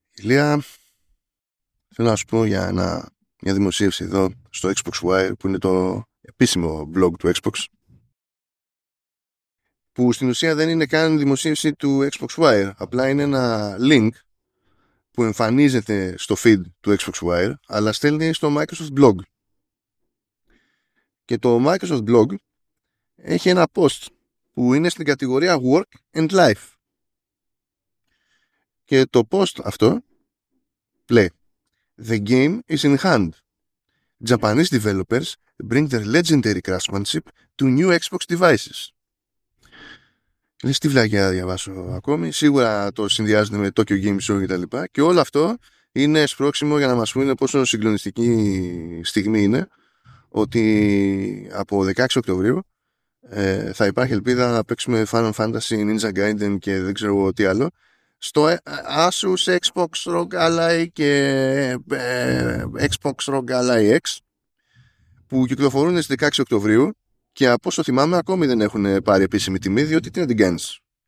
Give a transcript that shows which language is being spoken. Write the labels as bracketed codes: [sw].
[el] Ηλία, θέλω να σου πω για μια δημοσίευση εδώ στο Xbox Wire, που είναι το επίσημο blog του Xbox, που στην ουσία δεν είναι καν δημοσίευση του Xbox Wire, απλά είναι ένα link που εμφανίζεται στο feed του Xbox Wire αλλά στέλνει στο Microsoft blog. Και το Microsoft blog έχει ένα post που είναι στην κατηγορία Work and Life. Και το post αυτό λέει: [en] The game is in hand. Japanese developers bring their legendary craftsmanship to new Xbox devices. [el] Λες, τι βλάκια να διαβάσω ακόμη. Σίγουρα το συνδυάζεται με Tokyo Game Show και τα λοιπά. Και όλο αυτό είναι σπρόξιμο για να μας πούνε πόσο συγκλονιστική στιγμή είναι ότι από 16 Οκτωβρίου θα υπάρχει ελπίδα να παίξουμε Final Fantasy, Ninja Gaiden και δεν ξέρω εγώ τι άλλο στο Asus Xbox ROG Ally και Xbox ROG Ally X, που κυκλοφορούν στις 16 Οκτωβρίου και από όσο θυμάμαι ακόμη δεν έχουν πάρει επίσημη τιμή, διότι τι να την κάνεις.